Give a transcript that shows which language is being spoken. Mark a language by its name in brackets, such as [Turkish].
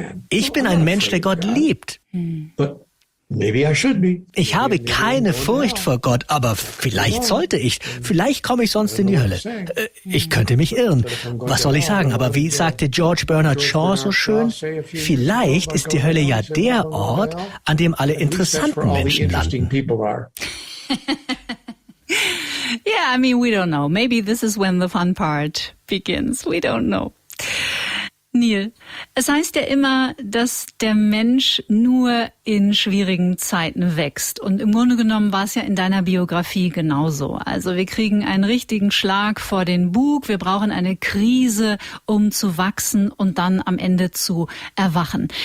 [German] Ich bin ein Mensch, der Gott liebt. Ich habe keine Furcht vor Gott, aber vielleicht sollte ich. Vielleicht komme ich sonst in die Hölle. Ich könnte mich irren. Was soll ich sagen? Aber wie sagte George Bernard Shaw so schön? Vielleicht ist die Hölle ja der Ort, an dem alle interessanten Menschen landen. [English] Yeah, I mean, we don't know. Maybe this is when the fun part begins. We don't know. [German] Neil, es heißt ja immer, dass der Mensch nur in schwierigen Zeiten wächst. Und im Grunde genommen war es ja in deiner Biografie genauso. Also wir kriegen einen richtigen Schlag vor den Bug. Wir brauchen eine Krise, um zu wachsen und dann am Ende zu erwachen.